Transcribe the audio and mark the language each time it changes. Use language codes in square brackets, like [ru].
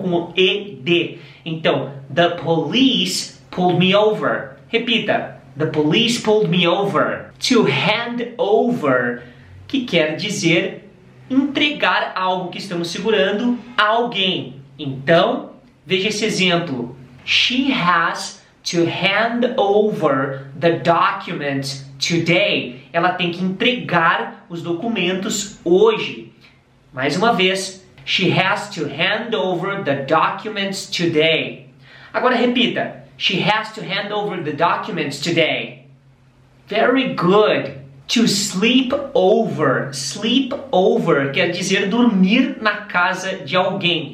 [pt] Com ed. Então, [en] the police pulled me over. [pt] Repita. [en] The police pulled me over. To hand over, [pt] que quer dizer entregar algo que estamos segurando a alguém. Então, veja esse exemplo. [en] She has to hand over the documents today. [pt] Ela tem que entregar os documentos hoje. Mais uma vez. [en] She has to hand over the documents today. [pt] Agora repita. [en] She has to hand over the documents today. Very good. To sleep over. Sleep over [pt] quer dizer dormir na casa de alguém.